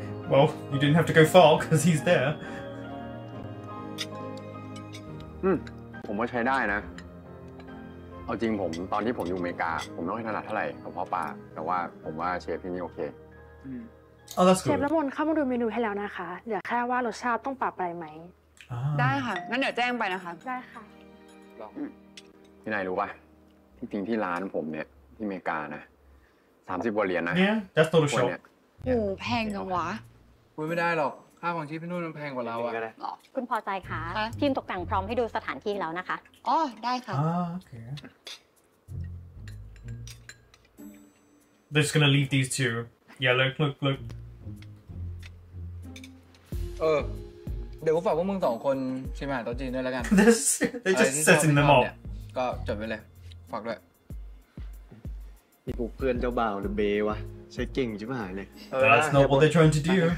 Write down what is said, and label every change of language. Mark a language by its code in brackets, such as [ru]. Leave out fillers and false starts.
[en] Well, you didn't have to go far because he's there. [th] ผมว่าใช้ได้นะเอาจริงผมตอนที่ผมอยู่อเมริกาผมต้องให้ถนัดเท่าไหร่กับพ่อป้าแต่ว่าผมว่าเชฟที่นี่โอเค [en] Oh, that's good. [th] เชฟละมนเข้ามาดูเมนูให้แล้วนะคะเหลือแค่ว่ารสชาติต้องปรับอะไรไหม ได้ค่ะงั้นเดี๋ยวแจ้งไปนะคะ ได้ค่ะ ลองพี่นายรู้ป่ะที่จริงที่ร้านผมเนี่ยที่อเมริกานะ30 กว่าเหรียญนะ [en] Yeah, that's total shock [th] โอ้แพงจังวะ คุยไม่ได้หรอกค่าของชีพพี่นุ่นมันแพงกว่าเราอะ คุณพอใจคะทีมตกแต่งพร้อมให้ดูสถานที่แล้วนะคะ อ๋อได้ค่ะ [en] โอเค They're just gonna leave these two Yeah look [th] เออเดี๋ยวกูฝากพวกมึงสองคนใช่ไหมตอนจีนด้วยแล้วกัน [en] They're just setting them up [th] ก็จบไปเลยฝากด้วย นี่กูเพื่อนเจ้าบ่าวหรือเบวะใช่เก่งจิ๋วหายเลย [en] That's not what they're trying to do